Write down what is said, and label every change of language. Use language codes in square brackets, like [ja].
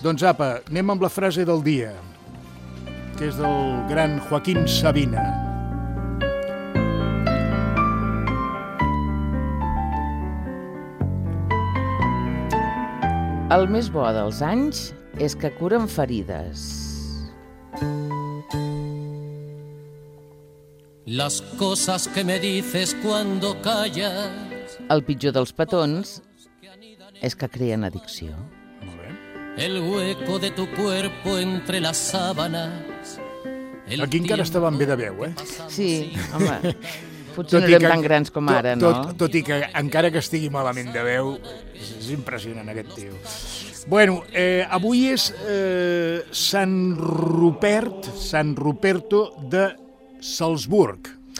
[ca] Doncs apa, anem amb la frase del dia, que és del gran Joaquín Sabina. El més bo dels anys és que curen ferides. [es] Las cosas que me dices cuando callas. [ca] El pitjor dels petons és que creen addicció. Molt bé. [es] El hueco de tu cuerpo entre las sábanas. [ca] Aquí encara estaven bé de veu, Sí, home... Potser no érem tan grans com ara, no? Tot i que, encara que estigui malament de veu, és impressionant aquest tio. Bueno, avui és Sant Rupert, Sant Ruperto de Salzburg.